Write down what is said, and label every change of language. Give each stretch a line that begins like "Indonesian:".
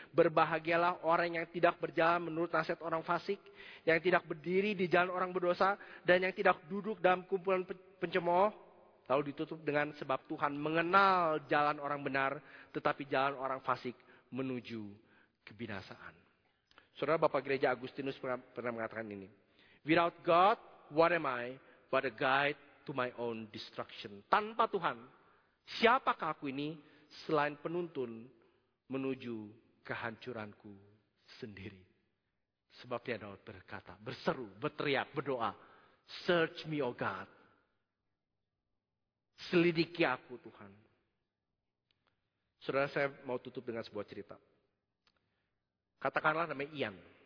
Indonesian: Berbahagialah orang yang tidak berjalan menurut nasihat orang fasik, yang tidak berdiri di jalan orang berdosa, dan yang tidak duduk dalam kumpulan pencemooh. Lalu ditutup dengan sebab Tuhan mengenal jalan orang benar, tetapi jalan orang fasik menuju kebinasaan. Saudara, Bapak Gereja Agustinus pernah mengatakan ini.
English: Without God, what am I but a guide to my own destruction?
Indonesian: Tanpa Tuhan, siapakah aku ini selain penuntun menuju kehancuranku sendiri? Sebabnya Daud berkata, berseru, berteriak, berdoa,
English: search me, O God.
Indonesian: Selidiki aku, Tuhan. Saudara, saya mau tutup dengan sebuah cerita. katakanlah namanya Ian.